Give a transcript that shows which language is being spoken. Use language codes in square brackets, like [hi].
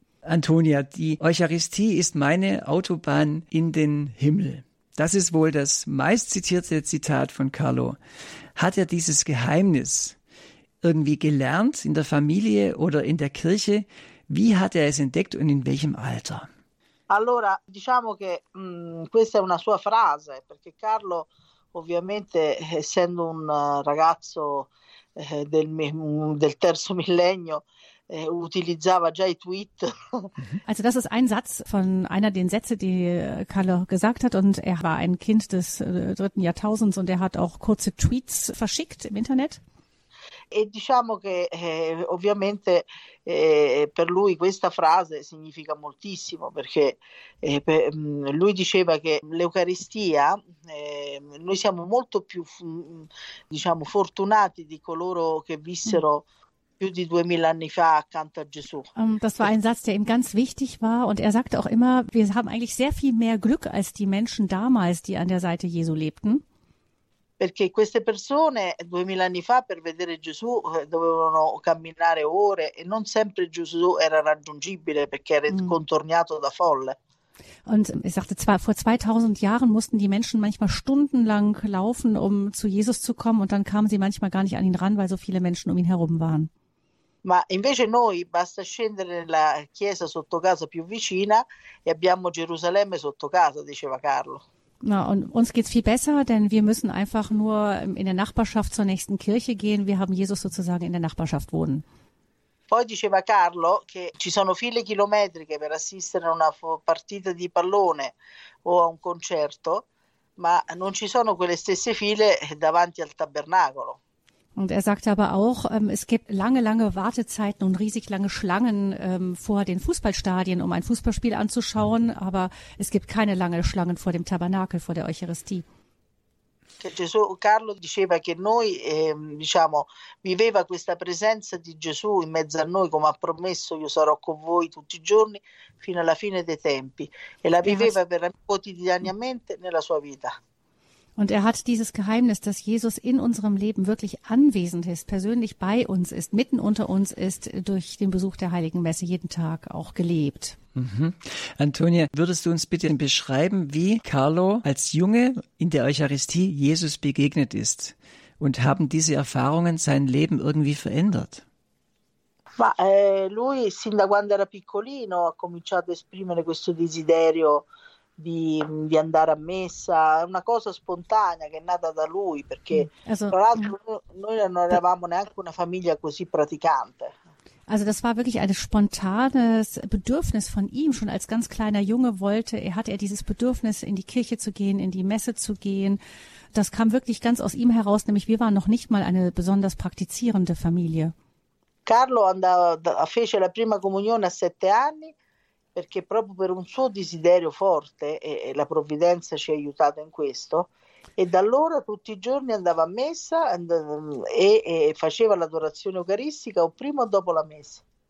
[de] Antonia, die Eucharistie ist meine Autobahn in den Himmel. Das ist wohl das meistzitierte Zitat von Carlo. Hat er dieses Geheimnis irgendwie gelernt in der Familie oder in der Kirche? Wie hat er es entdeckt und in welchem Alter? [it] Allora, diciamo che questa è una sua frase, perché Carlo, ovviamente, essendo un ragazzo del terzo millennio, utilizzava già i tweet. [de] Also das ist ein Satz von einer der Sätze, die Carlo gesagt hat, und er war ein Kind des dritten Jahrtausends und er hat auch kurze Tweets verschickt im Internet. [it] E diciamo che ovviamente per lui questa frase significa moltissimo, perché lui diceva che l'Eucaristia, noi siamo molto più diciamo fortunati di coloro che vissero più di 2000 anni fa accanto a Gesù. [de] Das war ein Satz, der ihm ganz wichtig war, und er sagte auch immer, wir haben eigentlich sehr viel mehr Glück als die Menschen damals, die an der Seite Jesu lebten. [it] Perché queste persone 2000 anni fa per vedere Gesù dovevano camminare ore e non sempre Gesù era raggiungibile perché era contorniato da folle. [de] Und er sagte, vor 2000 Jahren mussten die Menschen manchmal stundenlang laufen, um zu Jesus zu kommen, und dann kamen sie manchmal gar nicht an ihn ran, weil so viele Menschen um ihn herum waren. [it] Ma invece noi basta scendere nella chiesa sotto casa più vicina e abbiamo Gerusalemme sotto casa, diceva Carlo. [de] Na, und uns geht's viel besser, denn wir müssen einfach nur in der Nachbarschaft zur nächsten Kirche gehen. Wir haben Jesus sozusagen in der Nachbarschaft wohnen. [it] Poi diceva Carlo che ci sono [de] viele Kilometer [it] che per assistere a una partita di pallone o a un concerto, ma non ci sono quelle stesse file davanti al Tabernacolo. [de] Und er sagte aber auch, es gibt lange, lange Wartezeiten und riesig lange Schlangen vor den Fußballstadien, um ein Fußballspiel anzuschauen, aber es gibt keine lange Schlangen vor dem Tabernakel, vor der Eucharistie. [it] Gesù, Carlo diceva che noi, diciamo, viveva questa presenza di Gesù in mezzo a noi, come ha promesso, io sarò con voi tutti i giorni fino alla fine dei tempi, e la viveva quotidianamente nella sua vita. [de] Und er hat dieses Geheimnis, dass Jesus in unserem Leben wirklich anwesend ist, persönlich bei uns ist, mitten unter uns ist, durch den Besuch der Heiligen Messe jeden Tag auch gelebt. Mhm. Antonia, würdest du uns bitte beschreiben, wie Carlo als Junge in der Eucharistie Jesus begegnet ist? Und haben diese Erfahrungen sein Leben irgendwie verändert? [it] Ma, lui, sin da quando era piccolino, ha cominciato a esprimere questo desiderio di andare a messa, una cosa spontanea che è nata da lui, perché also, tra l'altro noi non eravamo neanche una famiglia così praticante. [de] Also das war wirklich ein spontanes Bedürfnis von ihm, schon als ganz kleiner Junge wollte er, hatte er dieses Bedürfnis, in die Kirche zu gehen, in die Messe zu gehen. Das kam wirklich ganz aus ihm heraus, nämlich wir waren noch nicht mal eine besonders praktizierende Familie. [it] Carlo fece la prima comunione a 7 anni, perché proprio per un suo desiderio forte, e la provvidenza ci ha aiutato in questo, e da allora tutti i giorni andava a messa e faceva l'adorazione eucaristica o prima o dopo la messa.